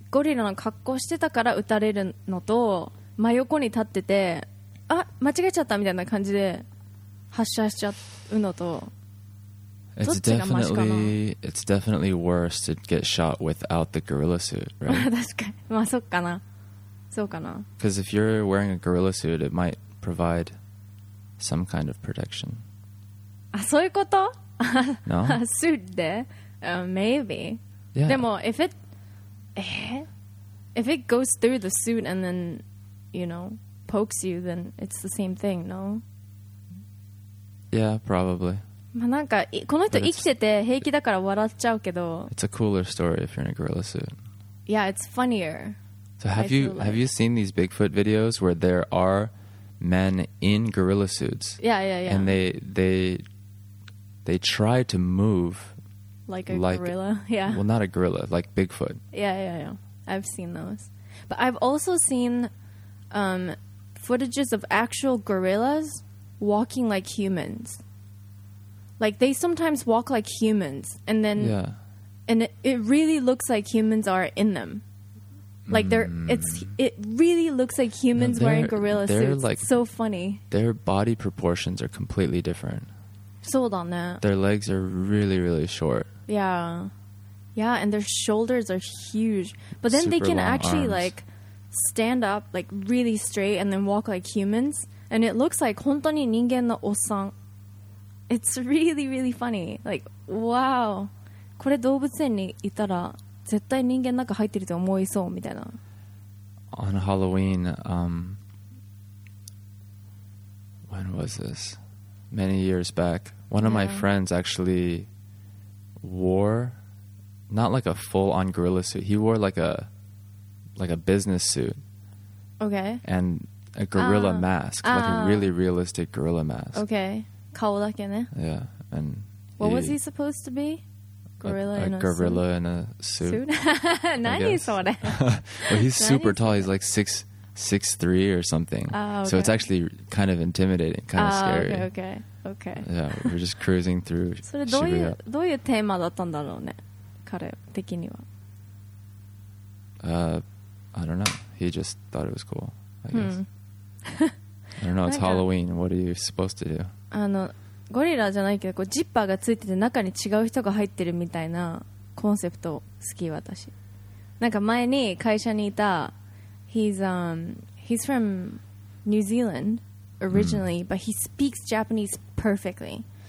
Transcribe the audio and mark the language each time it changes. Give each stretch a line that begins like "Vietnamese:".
Japanese: ゴリラの格好してたから撃たれるのと、真横に立ってて、あ、間違えちゃったみたいな感じで発射しちゃうのと、どっちがマシかな。
English: It's definitely worse to get shot without the gorilla suit, right?
Japanese: 確かに。まあ、そっかな。そうかな。
English: Because if you're wearing a gorilla suit, it might provide some kind of protection.
Japanese: あ、そういうこと？
English: No? suit で？Maybe. Yeah. でも、if itIf it goes through the suit and then, you know, pokes you, then it's the same thing, no? Yeah, probably.
Japanese: まあなんかこの人生きてて平気だから笑っちゃうけど。
English: It's a cooler story if you're in a gorilla suit. Yeah, it's funnier. So have you seen these Bigfoot videos where there are men in gorilla suits? Yeah. And they try to move. Like a gorilla, yeah. Well, not a gorilla, like Bigfoot. Yeah. I've seen those. But I've also seen footages of actual gorillas walking like humans. Like, they sometimes walk like humans. And then... Yeah. And it really looks like humans are in them. Like, they're... It really looks like humans wearing gorilla suits. It's like, so funny. Their body proportions are completely different.
Japanese: そうだね。
English: Their legs are really, really short. Yeah. Yeah, and their shoulders are huge. But then、 Super、 they can actually,、 arms. Like, stand up, like, really straight and then walk like humans. And it looks like
Japanese: 本当に人間のおっさん。
English: It's really, really funny. Like, wow.
Japanese: これ動物園にいたら絶対人間なんか入ってると思いそうみたいな。
English: On Halloween、when was this? Many years back. One of my friends actually wore not like a full on gorilla suit. He wore like a business suit. Okay. And a gorilla mask. Like a really realistic gorilla mask.
Japanese: Okay. 顔だけね。
English: Yeah. And what was he supposed to be? A gorilla in a suit?
Japanese: 何それ
English: Well, he's super tall. He's like 6'3 or something. Okay. So it's actually kind of intimidating, kind of scary. Okay. Yeah, we're just cruising through Shibuya.
Japanese: どういうテーマだったんだろうね、彼的には。
English: I don't know. He just thought it was cool, I guess. I don't know. It's Halloween. What are you supposed to do?
Japanese: あの、ゴリラじゃないけど、こうジッパーがついてて中に違う人が入ってるみたいなコンセプト好き、私。なんか前に会社にいた、
English: He's from New Zealand originally, but he speaks Japanese perfectly.